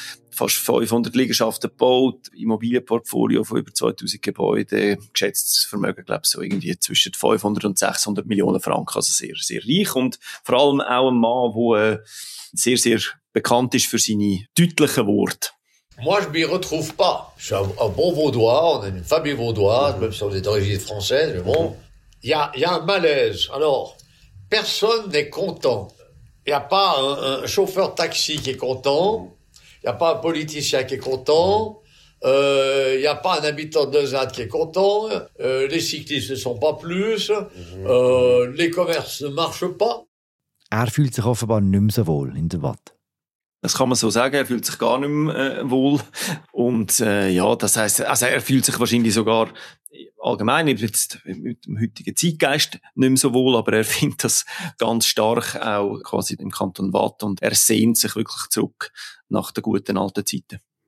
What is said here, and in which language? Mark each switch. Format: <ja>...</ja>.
<de>Fast 500 Liegenschaften gebaut, Immobilienportfolio von über 2000 Gebäuden, geschätztes Vermögen, glaube ich, so irgendwie zwischen 500 und 600 Millionen Franken. Also sehr, sehr reich und vor allem auch ein Mann, der sehr, sehr bekannt ist für seine deutlichen Worte.</de> <fr>Moi, je m'y retrouve pas. Je suis un bon vaudois, on a une famille vaudoise, même si on est d'origine française, mais bon. Il y a un malaise. Alors, personne n'est content. Il n'y a pas un chauffeur taxi qui est content. Il n'y a pas un politicien qui est content. Il n'y a pas un habitant de Zad qui est content. Les cyclistes ne sont pas plus. Les commerces ne marchent pas.</fr> <de>Er fühlt sich offenbar nicht mehr so wohl in der Watt. Das kann man so sagen, er fühlt sich gar nicht mehr wohl. Und ja, das heisst, also er fühlt sich wahrscheinlich sogar allgemein jetzt mit dem heutigen Zeitgeist nicht mehr so wohl, aber er findet das ganz stark auch quasi im Kanton Waadt und er sehnt sich wirklich zurück nach den guten alten Zeiten.</de>